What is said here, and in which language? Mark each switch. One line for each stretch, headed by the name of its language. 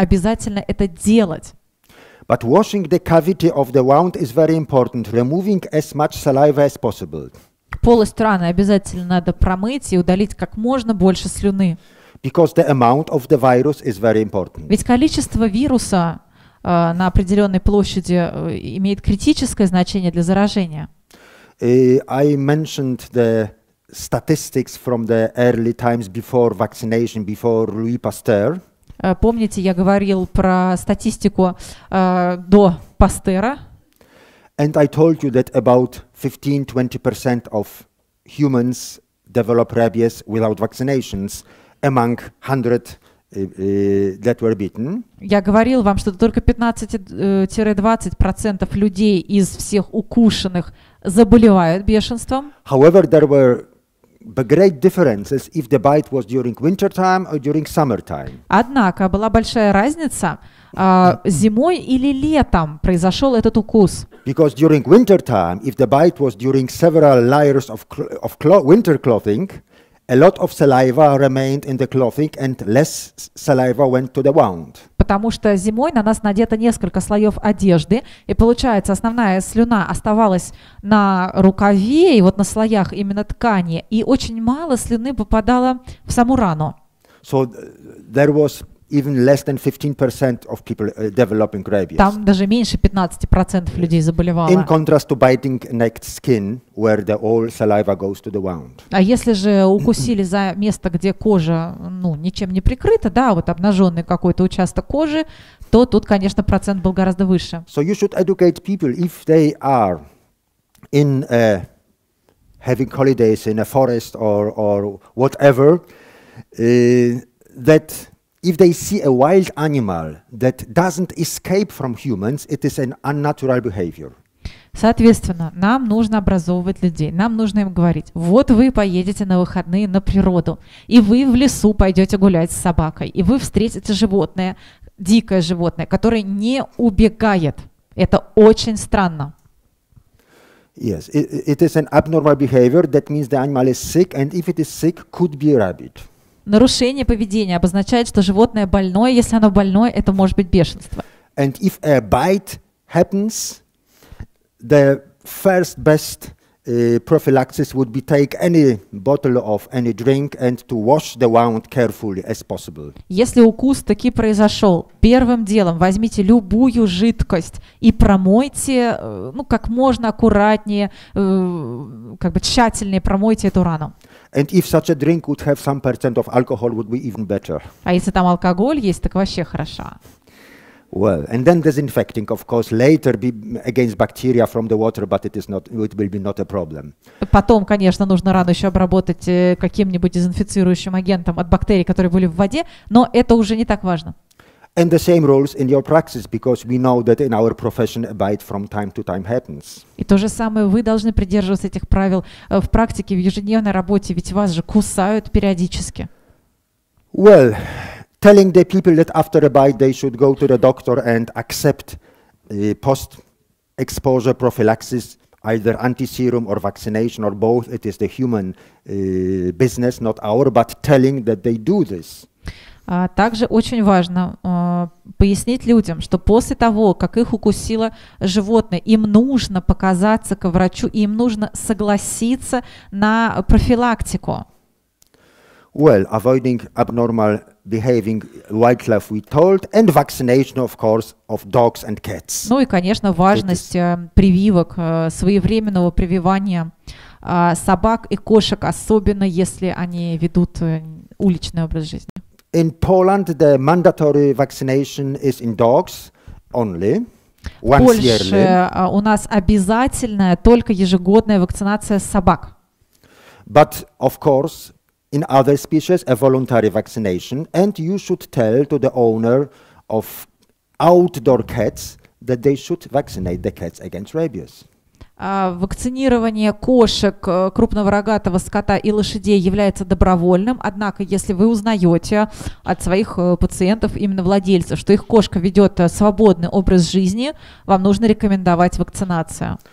Russian: Обязательно это делать.
English: But washing the cavity of the wound is very important, removing as much saliva as possible.
Russian: Полость раны обязательно надо промыть и удалить как можно больше слюны.
English: Because the amount of the virus is very important.
Russian: Ведь количество вируса на определенной площади имеет критическое значение для заражения.
English: I mentioned the statistics from the early times before vaccination, before Louis Pasteur.
Russian: Помните, я говорил про статистику до Пастера?
English: And I told you that about 15-20% of humans develop rabies without vaccinations among 100 that were bitten.
Russian: Я говорил вам, что только 15-20% людей из всех укушенных заболевают бешенством.
English: However, there were great differences if the bite was during winter time or during summer time.
Russian: Однако была большая разница, зимой или летом произошел этот укус.
English: Because during winter time, if the bite was during several layers winter clothing, a lot of saliva remained in the clothing and less saliva went to the wound.
Russian: Потому что зимой на нас надето несколько слоев одежды, и получается, основная слюна оставалась на рукаве и вот на слоях именно ткани, и очень мало слюны попадало в саму рану.
English: So there was even less than 15% of people developing rabies.
Russian: Там даже меньше 15% людей заболевало.
English: In contrast to biting naked skin, where the all saliva goes to the wound.
Russian: А если же укусили за место, где кожа, ну, ничем не прикрыта, да, вот обнаженный какой-то участок кожи, то тут, конечно, процент был гораздо выше.
English: So you should educate people if they are in having holidays in a forest or whatever, that if they see a wild animal that doesn't escape from humans, it is an unnatural behavior.
Russian: Соответственно, нам нужно образовывать людей. Нам нужно им говорить: вот вы поедете на выходные на природу, и вы в лесу пойдете гулять с собакой, и вы встретите животное, дикое животное, которое не убегает. Это очень странно.
English: Yes, it is an abnormal behavior. That means the animal is sick, and if it is sick, could be a rabbit.
Russian: Нарушение поведения обозначает, что животное больное. Если оно больное, это может быть бешенство.
English: And if a bite happens, the first best prophylaxis would be take any bottle of any drink and to wash the wound carefully as possible.
Russian: Если укус таки произошел, первым делом возьмите любую жидкость и промойте, ну, как можно аккуратнее, как бы тщательнее промойте эту рану.
English: And if such a drink would have some percent of alcohol, would be even better.
Russian: А если там алкоголь есть, так вообще хорошо.
English: Well, and then disinfecting, of course, later be against bacteria from the water, but it will be not a problem.
Russian: Потом, конечно, нужно рану еще обработать каким-нибудь дезинфицирующим агентом от бактерий, которые были в воде, но это уже не так важно.
English: And the same rules in your practice, because we know that in our profession a bite from time to time happens.
Russian: И то же самое вы должны придерживаться этих правил в практике, в ежедневной работе, ведь вас же кусают периодически.
English: Well, telling the people that after a bite they should go to the doctor and accept post-exposure prophylaxis, either anti-serum or vaccination or both, it is the human business, not our, but telling that they do this.
Russian: Также очень важно пояснить людям, что после того, как их укусило животное, им нужно показаться к врачу, им нужно согласиться на профилактику.
English: Well, avoiding abnormal behaving wildlife, we told, and vaccination, of course, of dogs and cats.
Russian: Ну и, конечно, важность прививок, своевременного прививания собак и кошек, особенно если они ведут уличный образ жизни.
English: In Poland, the mandatory vaccination is in dogs only, once
Russian: Польше,
English: yearly.
Russian: Польше у нас обязательная только ежегодная вакцинация собак.
English: But of course, in other species, a voluntary vaccination, and you should tell to the owner of outdoor cats that they should vaccinate the cats against rabies.
Russian: Вакцинирование кошек, крупного рогатого скота и лошадей является добровольным, однако если вы узнаете от своих пациентов, именно владельцев, что их кошка ведет свободный образ жизни, вам нужно рекомендовать вакцинацию.